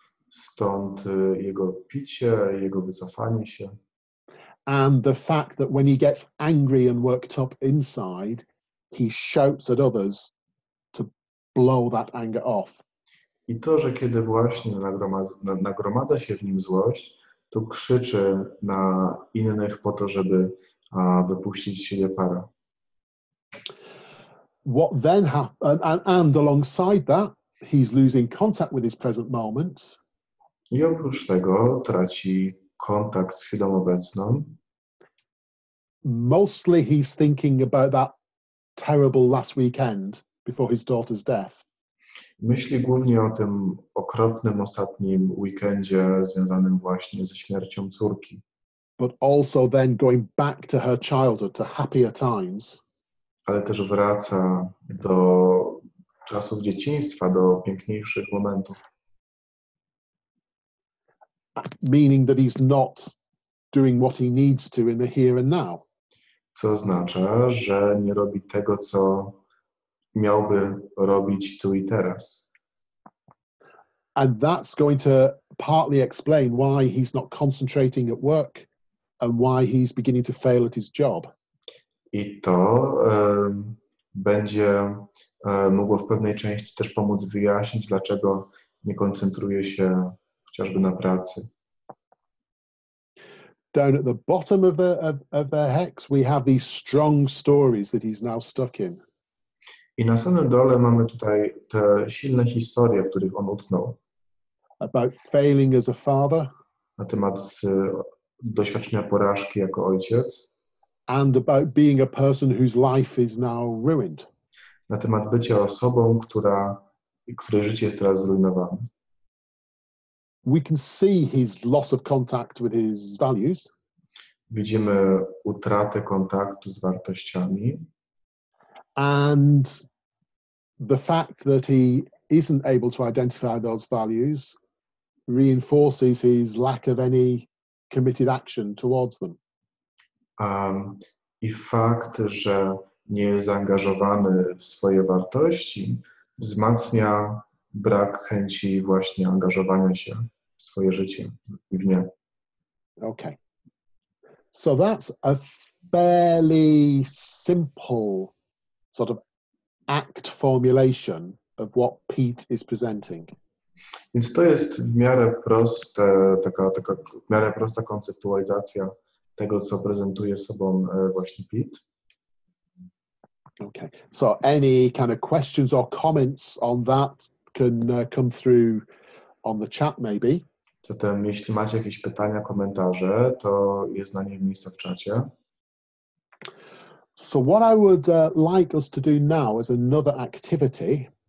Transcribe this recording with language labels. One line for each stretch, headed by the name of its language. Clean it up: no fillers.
Polish: Stąd jego picie, jego wycofanie się.
English: And the fact that when he gets angry and worked up inside, he shouts at others to blow that anger off.
Polish: I to, że kiedy właśnie nagromadza się w nim złość, to krzyczy na innych po to, żeby wypuścić z siebie parę.
English: What then happened? And alongside that, he's losing contact with his present moment.
Polish: I oprócz tego traci kontakt z chwilą obecną.
English: Mostly he's thinking about that terrible last weekend before his daughter's death.
Polish: Myśli głównie o tym okropnym ostatnim weekendzie związanym właśnie ze śmiercią córki.
English: But also then going back to her childhood, to happier times.
Polish: Ale też wraca do czasów dzieciństwa, do piękniejszych momentów.
English: Meaning that he's not doing what he needs to in the here and now.
Polish: Co oznacza, że nie robi tego, co miałby robić tu i teraz.
English: And that's going to partly explain why he's not concentrating at work and why he's beginning to fail at his job.
Polish: I to będzie mogło w pewnej części też pomóc wyjaśnić, dlaczego nie koncentruje się chociażby na pracy.
English: Down at the bottom of the hex we have these strong stories that he's now stuck in.
Polish: I na samym dole mamy tutaj te silne historie, w których on utknął.
English: About failing as a father.
Polish: Na temat doświadczenia porażki jako ojciec.
English: And about being a person whose life is now ruined.
Polish: Na temat bycia osobą, której życie jest teraz zrujnowane.
English: We can see his loss of contact with his values.
Polish: Widzimy utratę kontaktu z wartościami.
English: And the fact that he isn't able to identify those values reinforces his lack of any committed action towards them.
Polish: I fakt, że nie jest zaangażowany w swoje wartości, wzmacnia brak chęci właśnie angażowania się w swoje życie i w nie.
English: Okay. So that's a fairly simple sort of act formulation of what Pete is presenting.
Polish: Więc to jest w miarę proste, taka w miarę prosta konceptualizacja tego, co prezentuje sobą właśnie Pete.
English: Okay. So any kind of questions or comments on that can come through on the chat maybe.
Polish: Zatem jeśli macie jakieś pytania, komentarze, to jest na nie miejsce w czacie.
English: So what I would like us to do now is another activity.